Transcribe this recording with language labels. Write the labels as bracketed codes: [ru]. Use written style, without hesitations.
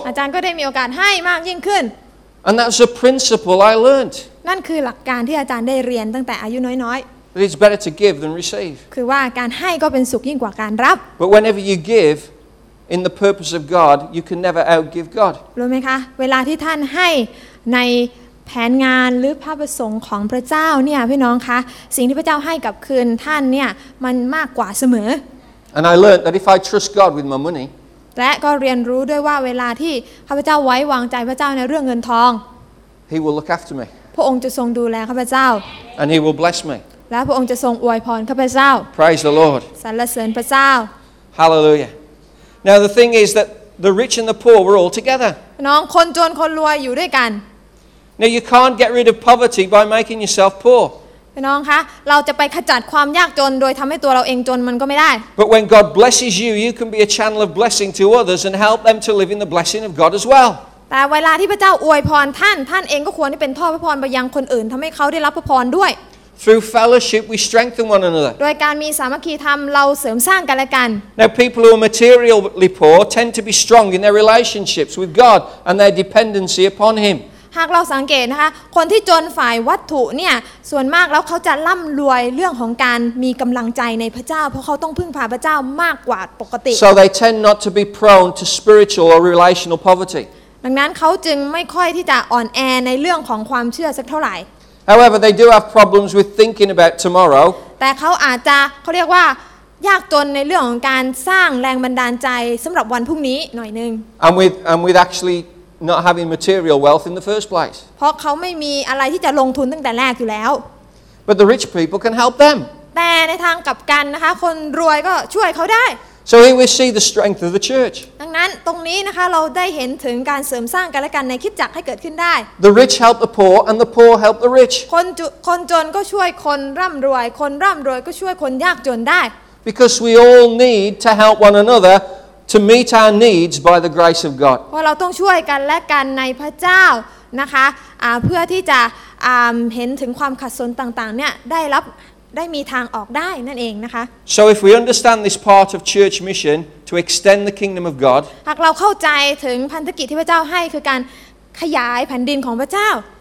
[th] อาจารย์ก็ได้มีโอกาสให้มากยิ่งขึ้น [en] And that's a principle I learned. [th] นั่นคือหลักการที่อาจารย์ได้เรียนตั้งแต่อายุน้อย [en] ๆ It's better to give than receive. [th] คือว่าการให้ก็เป็นสุขยิ่งกว่าการรับ [en] But whenever you give in the purpose of God, you can never outgive God. [th] รู้ไหมคะเวลาที่ท่านให้ในแผนงานหรือพระประสงค์ของพระเจ้าเนี่ยพี่น้องคะสิ่งที่พระเจ้าให้กับคืนท่านเนี่ยมันมากกว่าเสมอ [en] And I learned that if I trust God with my money. [th] และก็เรียนรู้ด้วยว่าเวลาที่พระเจ้าไว้วางใจพระเจ้าในเรื่องเงินทอง [en] He will look after me. [th] พระองค์จะทรงดูแลข้าพเจ้า [en] And he will bless me [th] และพระองค์จะทรงอวยพรข้าพเจ้า [en] Praise the Lord [th] สรรเสริญพระเจ้า [en] Hallelujah Now the thing is that the rich and the poor were all together [th] น้องคนจนคนรวยอยู่ด้วยกัน [en] Now you can't get rid of poverty by making yourself poor [th] น้องคะเราจะไปขจัดความยากจนโดยทำให้ตัวเราเองจนมันก็ไม่ได้ [en] But when God blesses you you can be a channel of blessing to others and help them to live in the blessing of God as well [th] แต่เวลาที่พระเจ้าอวยพรท่านเองก็ควรที่เป็นท่อพระพรไปยังคนอื่นทำให้เขาได้รับพระพรด้วย [en] Through fellowship we strengthen one another [th] โดยการมีสามัคคีธรรมเราเสริมสร้างกันและกัน [en] Now people who are materially poor tend to be strong in their relationships with God and their dependency upon Him [th] หากเราสังเกตนะคะคนที่จนฝ่ายวัตถุเนี่ยส่วนมากแล้วเขาจะร่ำรวยเรื่องของการมีกำลังใจในพระเจ้าเพราะเขาต้องพึ่งพาพระเจ้ามากกว่าปกติ [en] So they tend not to be prone to spiritual or relational poverty [th] ดังนั้นเขาจึงไม่ค่อยที่จะอ่อนแอในเรื่องของความเชื่อสักเท่าไหร่ [en] However they do have problems with thinking about tomorrow [th] แต่เขาอาจจะเขาเรียกว่ายากจนในเรื่องของการสร้างแรงบันดาลใจสำหรับวันพรุ่งนี้หน่อยนึง [en] And with actually not having material wealth in the first place [th] เพราะเขาไม่มีอะไรที่จะลงทุนตั้งแต่แรกอยู่แล้ว [en] But the rich people can help them [th] แต่ในทางกลับกันนะคะคนรวยก็ช่วยเขาได้ [en] So here we see the strength of the church [th] ดังนั้นตรงนี้นะคะเราได้เห็นถึงการเสริมสร้างกันและกันในคริสตจักรให้เกิดขึ้นได้ [en] The rich help the poor and the poor help the rich [th] คนจนก็ช่วยคนร่ำรวยคนร่ำรวยก็ช่วยคนยากจนได้ [en] Because we all need to help one another to meet our needs by the grace of God [th] เพราะเราต้องช่วยกันและกันในพระเจ้านะคะเพื่อที่จะเห็นถึงความขัดสนต่างๆเนี่ยได้รับได้มีทางออกได้นั่นเองนะคะ [en] So if we understand this part of church mission to extend the kingdom of God [th] หากเราเข้าใจถึงพันธกิจที่พระเจ้าให้คือการขยายแผ่นดินของพระเจ้า